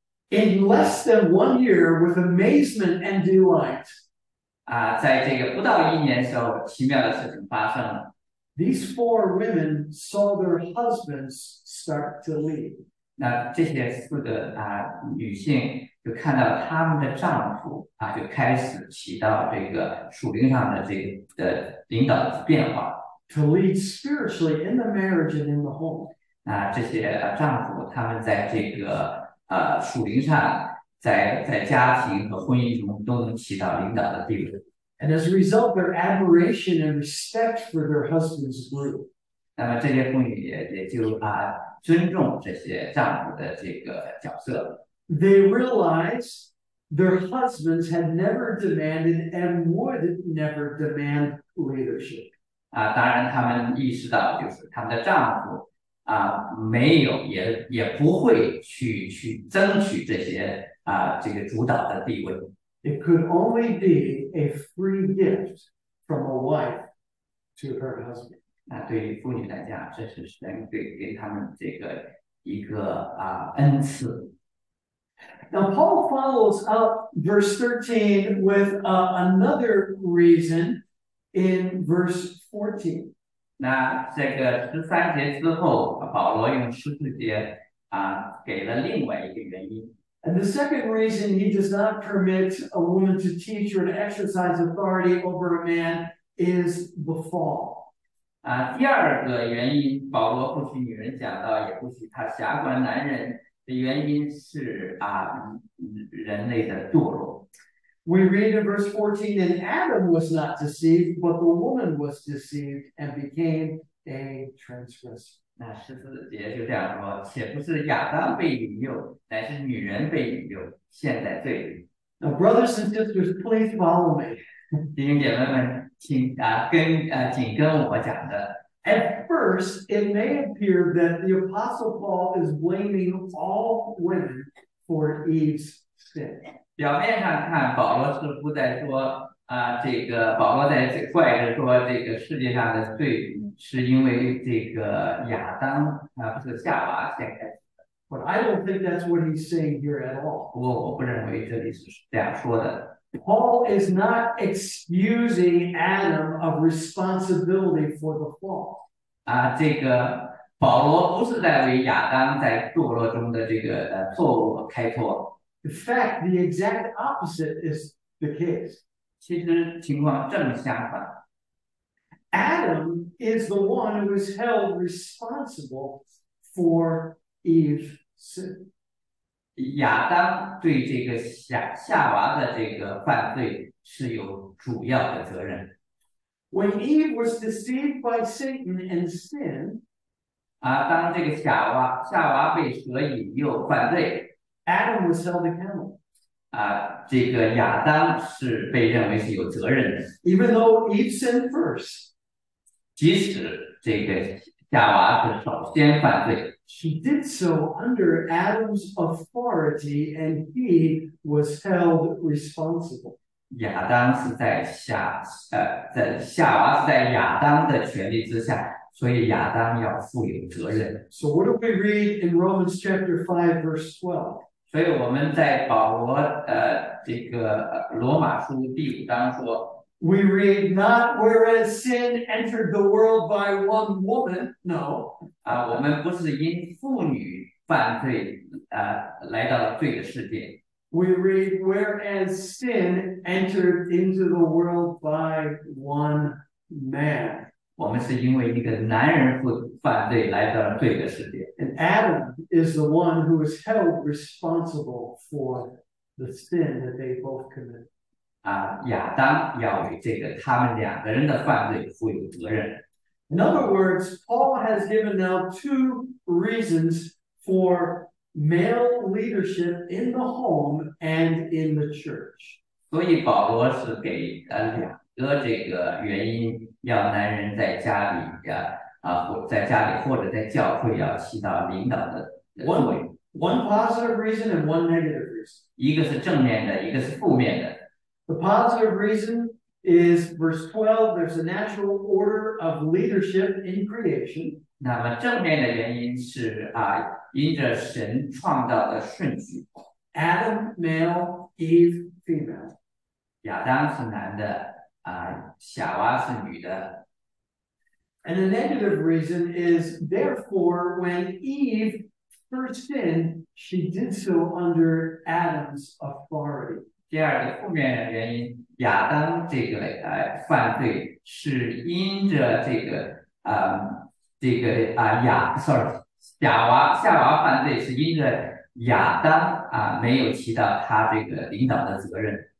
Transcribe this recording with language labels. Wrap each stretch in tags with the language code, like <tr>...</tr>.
<en>In less than 1 year, with amazement and delight,</en> <zh>在这个不到一年的时候，奇妙的事情发生了。</zh> <en>these four women saw their husbands start to lead.</en> <zh>那这些四个女性就看到她们的丈夫就开始起到这个属灵上的这个领导的变化。</zh> <en>To lead spiritually in the marriage and in the home.</en> <zh>那这些丈夫他们在这个属灵上在家庭和婚姻中都能起到领导的地位。</zh> <en>And as a result, their admiration and respect for their husbands grew.</en> <zh>那么这些妇女也就尊重这些丈夫的这个角色。</zh> <en>They realized their husbands had never demanded and would never demand leadership.</en> <zh>当然他们意识到就是他们的丈夫没有也不会去争取这些这个主导的地位。</zh> <en>It could only be a free gift from a wife to her husband.</en> <zh>那对于妇女来讲，这是神给他们这个一个恩赐。</zh> <en>Now, Paul follows up verse 13 with another reason in verse 14.</en> <zh>那这个13节之后，保罗用14节给了另外一个原因。</zh> <en>And the second reason he does not permit a woman to teach or to exercise authority over a man is the fall.</en> <zh>第二个原因，保罗不许女人讲道，也不许他辖管男人，原因是人类的堕落。</zh> <en>We read in verse 14, and Adam was not deceived, but the woman was deceived and became a transgressor.</en> <zh>那十四节就这样说，且不是亚当被引诱，乃是女人被引诱，陷在罪里。</zh> <en>Now, brothers and sisters, please follow me.</en> <zh>弟兄姐妹们，请紧跟我讲的。</zh> <en>At first, it may appear that the Apostle Paul is blaming all women for Eve's sin.</en> <zh>表面上看，保罗似乎在说这个保罗在怪着说这个世界上的罪是因为这个亚当不是夏娃先开始的。</zh> <en>But I don't think that's what he's saying here at all.</en> <zh>不过我不认为这里是这样说的。</zh> <en>Paul is not excusing Adam of responsibility for the fall.</en> <zh>这个保罗不是在为亚当在堕落中的这个错误开脱。</zh> <en>In fact, the exact opposite is the case.</en> <zh>其实情况正相反。</zh> <en>Adam is the one who is held responsible for Eve's sin.</en> <zh>亚当对这个夏娃的这个犯罪是有主要的责任。</zh> <en>When Eve was deceived by Satan and sinned,</en> <zh>当这个夏娃被蛇引诱犯罪。</zh> <en>Adam was held accountable.</en> <zh>这个亚当是被认为是有责任的。</zh> <en>Even though Eve sinned first,</en> <zh>即使这个夏娃是首先犯罪。</zh> <en>She did so under Adam's authority, and he was held responsible.</en> <zh>亚当是在夏在夏娃是在亚当的权力之下，所以亚当要负有责任。</zh> <en>So what do we read in Romans chapter 5 verse 12?</en> <zh>所以我们在保罗这个罗马书第五章说</zh> <en>，We read not whereas sin entered the world by one woman, no.</en> <zh>我们不是因妇女犯罪来到了罪的世界。</zh> <en>We read whereas sin entered into the world by one man.</en> <zh>我们是因为一个男人犯罪来到了罪的世界。</zh> <en>And Adam is the one who is held responsible for the sin that they both committed.</en> <zh>亚当要为这个他们两个人的犯罪负有责任。</zh> <en>In other words, Paul has given now two reasons for male leadership in the home and in the church.</en> <zh>所以保罗是给两个这个原因，要男人在家里在家里或者在教会要起到领导的作为。</zh> <en>One positive reason and one negative reason.</en> <zh>一个是正面的，一个是负面的。</zh> <en>The positive reason is verse 12, there's a natural order of leadership in creation.</en> <zh>那么正面的原因是因着神创造的顺序。</zh> <en>Adam, male, Eve, female.</en> <zh>亚当是男的夏娃是女的。</zh> <en>And the negative reason is, therefore, when Eve first sinned, she did so under Adam's authority.</en> <zh>第二个负面的原因，亚当这个犯罪是因着夏娃犯罪是因着亚当没有起到他这个领导的责任。</zh>